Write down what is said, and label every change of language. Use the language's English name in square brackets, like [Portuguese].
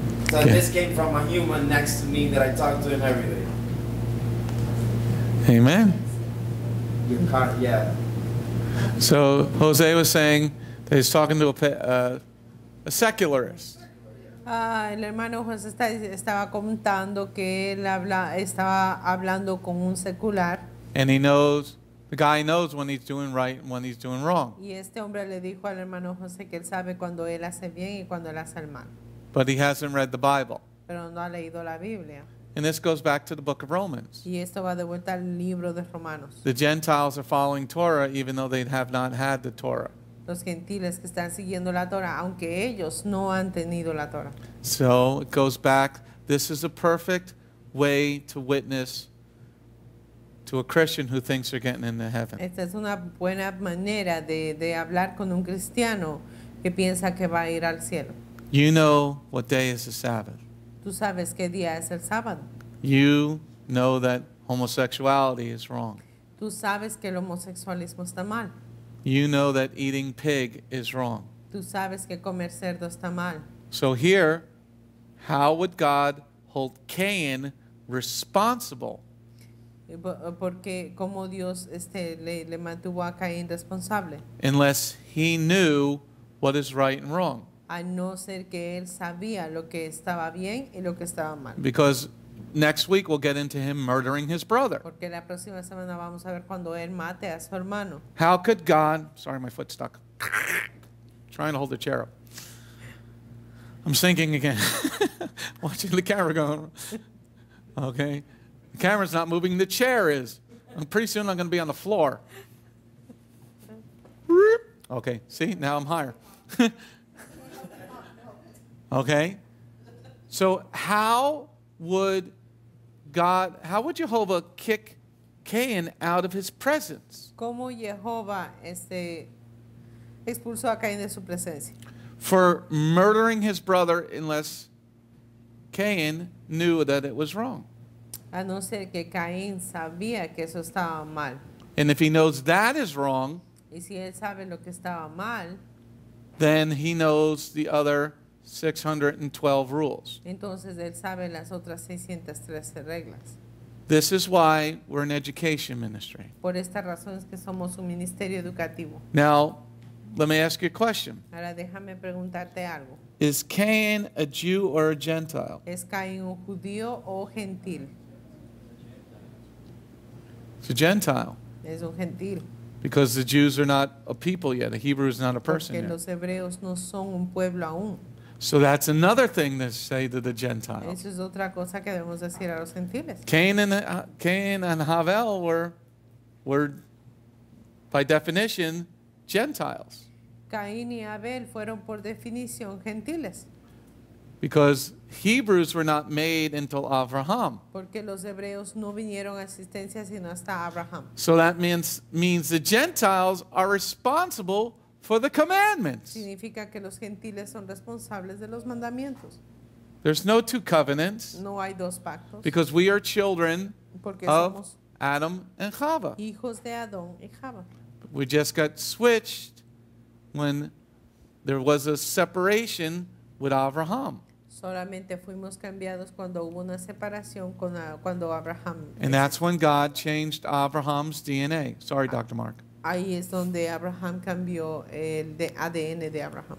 [English] So yeah. This came from a human next to me that I talked to him every day. Amen. Yeah. So Jose was saying that he's talking to a secularist. [Spanish] El hermano José estaba comentando que él estaba hablando con un secular. [English] And he knows, the guy knows when he's doing right and when he's doing wrong. [Spanish] Y este hombre le dijo al hermano José que él sabe cuando él hace bien y cuando él hace mal. [English] But he hasn't read the Bible. [Spanish] Pero no ha leído la Biblia. [English] And this goes back to the book of Romans. [Spanish] Y esto va de vuelta al libro de Romanos. [English] The Gentiles are following Torah even though they have not had the Torah. [Spanish] Los gentiles que están siguiendo la Torah, aunque ellos no han tenido la Torah. [English] So it goes back. This is a perfect way to witness to a Christian who thinks they're getting into heaven. [Spanish] Esta es una buena manera de hablar con un cristiano que piensa que va a ir al cielo. [English] You know what day is the Sabbath. [Spanish] Tú sabes qué día es el sábado. [English] You know that homosexuality is wrong. [Spanish] Tú sabes que el homosexualismo está mal. [English] You know that eating pig is wrong. [Spanish] Tú sabes que comer cerdo está mal. [English] So here, how would God hold Cain responsible? [Spanish] Porque como Dios le mantuvo a Cain responsable. [English] Unless he knew what is right and wrong. [Spanish] A no ser que él sabía lo que estaba bien y lo que estaba mal. [English] Because next week we'll get into him murdering his brother. [Spanish] Porque la próxima semana vamos a ver cuando él mate a su hermano. [English] How could God, sorry, my foot stuck. Trying to hold the chair up. I'm sinking again. Watching the camera go. Okay. The camera's not moving, the chair is. And pretty soon I'm going to be on the floor. Okay, see, now I'm higher. Okay. So how would Yehovah kick Cain out of his presence? [Spanish] ¿Cómo Yehovah expulsó a Cain de su presencia? [English] For murdering his brother unless Cain knew that it was wrong. [Spanish] A no ser que Cain sabía que eso estaba mal. [English] And if he knows that is wrong, [Spanish] y si él sabe lo que estaba mal, [English] then he knows the other 612 rules. [Spanish] Entonces él sabe las otras 613 reglas. [English] This is why we're an education ministry. [Spanish] Por esta razón es que somos un ministerio educativo. [English] Now, let me ask you a question. [Spanish] Ahora déjame preguntarte algo. [English] Is Cain a Jew or a Gentile? [Spanish] ¿Es Cain un judío o gentil? [English] It's a Gentile. [Spanish] Es un gentil. [English] Because the Jews are not a people yet. A Hebrew is not a person yet. [Spanish] Los hebreos no son un pueblo aún. [English] So that's another thing to say to the Gentiles. [Spanish] Eso es otra cosa que debemos decir a los gentiles. [English] Cain and Havel were, by definition, Gentiles. [Spanish] Cain y Abel fueron por definición gentiles. [English] Because Hebrews were not made until Abraham. [Spanish] Porque los hebreos no vinieron a existencia sino hasta Abraham. [English] So that means the Gentiles are responsible for the commandments. [Spanish] Significa que los gentiles son responsables de los mandamientos. [English] There's no two covenants. [Spanish] No hay dos pactos. [English] Because we are children of Adam and Havah. [Spanish] Hijos de Adán y Havah. [English] We just got switched when there was a separation with Abraham. [Spanish] Solamente fuimos cambiados cuando hubo una separación cuando Abraham. [English] And that's when God changed Abraham's DNA. Sorry, Dr. Mark. [Spanish] Ahí es donde Abraham cambió el ADN de Abraham.